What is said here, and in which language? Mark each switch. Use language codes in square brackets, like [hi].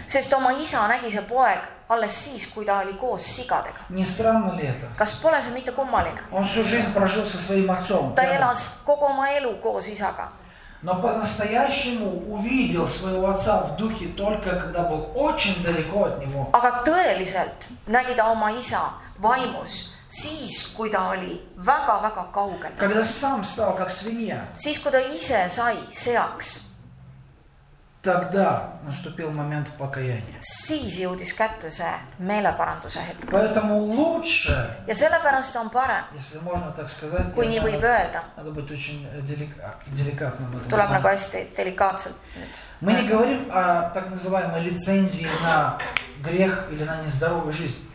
[et] Sest oma isa nägi see poeg alles siis, kui ta oli koos sigadega. [ru] Не странно ли это? [et] Kas pole see mitte kummaline? [ru] Он всю жизнь прожил со своим отцом. [et] Ta elas kogu oma elu koos isaga. [ru] Но по-настоящему увидел своего отца в духе только когда был очень далеко от него. [et] Aga tõeliselt nägi ta oma isa vaimus siis, kui ta oli väga-väga kaugel. [ru] Когда сам стал как свинья. [et] Siis, kui ta ise sai seaks. [ru] Тогда наступил момент покаяния. [et] Siis jõudis kätte see meeleparanduse hetk. [ru] Поэтому лучше. [et] Ja sellepärast on parem. [ru] Если можно так сказать. [et] Kui nii võib öelda. [ru] Надо быть очень деликатным. [et] Tuleb nagu hästi delikaatselt. [ru] Мы не говорим о так называемой лицензии на грех или на нездоровую жизнь.